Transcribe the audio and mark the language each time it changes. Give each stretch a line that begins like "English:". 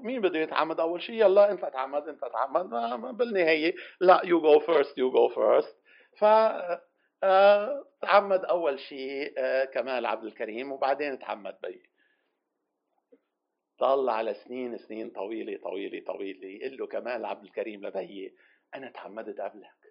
Arabic: مين بده يتعمد أول شيء؟ يلا أنت تعمد، أنت تعمد. بالنهاية لا،
English: you go first, you go first.
Arabic: فتعمد أول شيء كمال عبد الكريم، وبعدين تعمد بي. طل على سنين سنين طويلة طويلة طويلة، يقول له كمال عبد الكريم لبي: أنا تعمدت قبلك.